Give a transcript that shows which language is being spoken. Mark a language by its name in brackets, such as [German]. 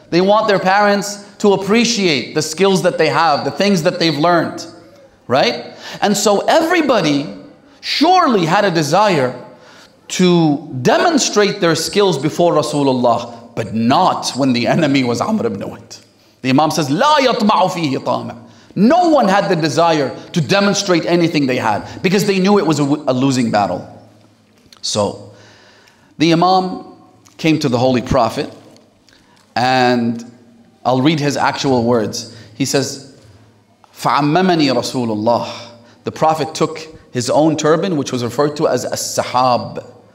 [English] They want their parents to appreciate the skills that they have, the things that they've learned, right? And so everybody surely had a desire to demonstrate their skills before Rasulullah, but not when the enemy was Amr ibn Wahb. The Imam says, [Arabic] لا يطمع فيه طامع. [English] No one had the desire to demonstrate anything they had because they knew it was a losing battle. So the Imam came to the Holy Prophet and I'll read his actual words. He says, [Arabic] فَعَمَّمَنِي رَسُولُ اللَّهِ. [English] The Prophet took his own turban, which was referred to as As-Sahab.